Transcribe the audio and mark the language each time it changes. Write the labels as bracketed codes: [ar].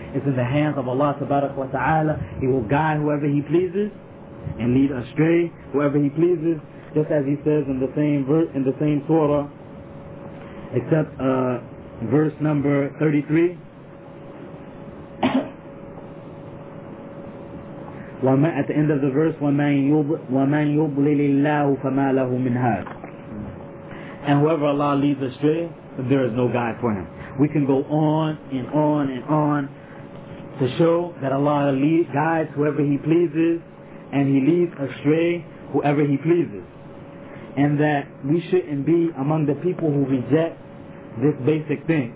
[en] It's in the hands of Allah subhanahu wa ta'ala. He will guide whoever He pleases and lead astray whoever He pleases. Just as He says in the same verse, in the same surah, except verse number 33. At the end of the verse, [ar] وَمَنْ يُضْلِلِ اللَّهُ فَمَا لَهُ مِنْ هَذَا. [en] And whoever Allah leads astray, there is no guide for him. We can go on and on and on to show that Allah guides whoever He pleases, and He leads astray whoever He pleases. And that we shouldn't be among the people who reject this basic thing.